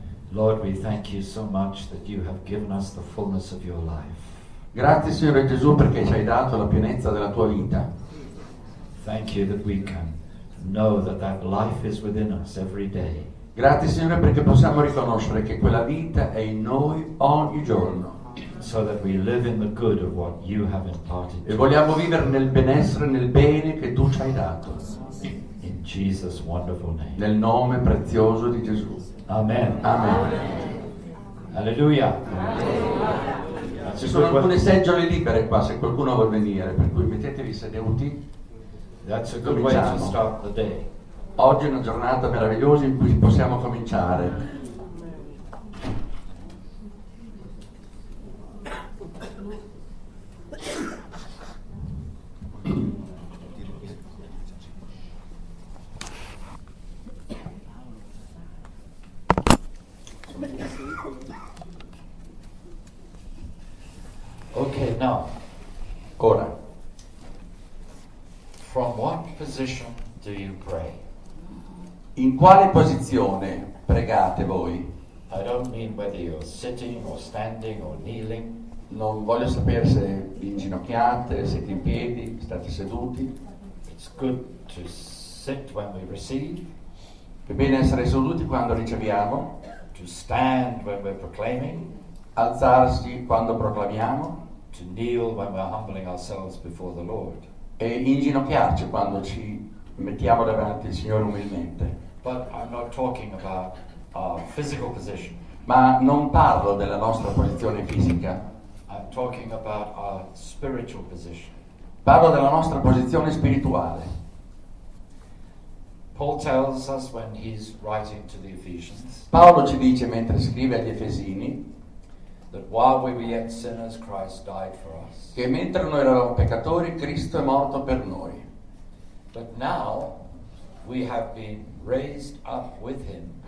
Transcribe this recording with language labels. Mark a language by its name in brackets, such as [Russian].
[English] Lord, we thank you so much that you have given us the fullness of your life. [Italian] Grazie, Signore Gesù, perché ci hai dato la pienezza della tua vita. [English] Thank you that we can know that that life is within us every day. [Italian] Grazie, Signore, perché possiamo riconoscere che quella vita è in noi ogni giorno. [English] So that we live in the good of what you have imparted. [Italian] E vogliamo vivere nel benessere, nel bene che tu ci hai dato. [English] In Jesus' wonderful name. [Italian] Nel nome prezioso di Gesù. Amen. Amen. Alleluia. Ci sono alcune seggiole libere qua, se qualcuno vuol venire, per cui mettetevi seduti. [English] That's a good way to start the day. [Italian] Oggi è una giornata meravigliosa in cui possiamo cominciare. [English] Okay, now. [Italian] Ora. [English] From what position do you pray? [Italian] In quale posizione pregate voi? [English] I don't mean whether you're sitting or standing or kneeling. [Italian] Non voglio sapere se vi inginocchiate, siete in piedi, state seduti. [English] It's good to sit when we receive. [Italian] È bene essere seduti quando riceviamo. [English] To stand when we're proclaiming. [Italian] Alzarsi quando proclamiamo. [English] To kneel when we're humbling ourselves before the Lord. [Italian] E inginocchiarci quando ci mettiamo davanti al Signore umilmente. [English] But I'm not talking about our physical position. [Italian] Ma non parlo della nostra posizione fisica. [English] I'm talking about our spiritual position. [Italian] Parlo della nostra posizione spirituale. [English] Paul tells us when he's writing to the Ephesians. [Italian] Paolo ci dice mentre scrive agli Efesini. [English] That while we were yet sinners, Christ died for us. [Italian] Che mentre noi eravamo peccatori, Cristo è morto per noi. [English] But now we have been raised up with him.